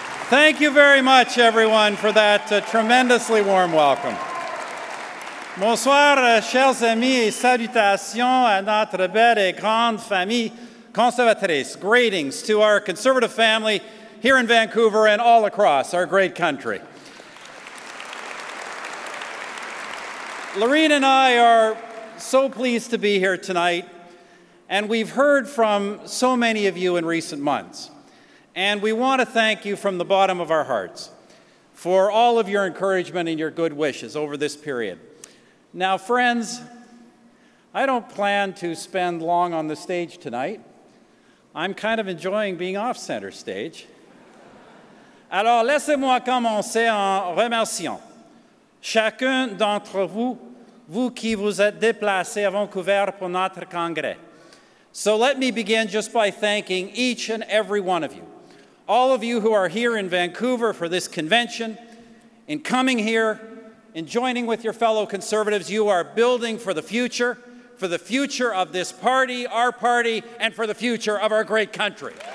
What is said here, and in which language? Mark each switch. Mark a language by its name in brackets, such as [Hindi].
[English] Thank you very much, everyone, for that tremendously warm welcome. [French] Bonsoir, chers amis, et salutations à notre belle et grande famille conservatrice. [English] Greetings to our conservative family here in Vancouver and all across our great country. Laureen and I are so pleased to be here tonight, and we've heard from so many of you in recent months. And we want to thank you from the bottom of our hearts for all of your encouragement and your good wishes over this period. Now, friends, I don't plan to spend long on the stage tonight. I'm kind of enjoying being off center stage. [French] Alors, laissez-moi commencer en remerciant chacun d'entre vous, vous qui vous êtes déplacés à Vancouver pour notre congrès. [English] So let me begin just by thanking each and every one of you. All of you who are here in Vancouver for this convention, in coming here, in joining with your fellow conservatives, you are building for the future of this party, our party, and for the future of our great country.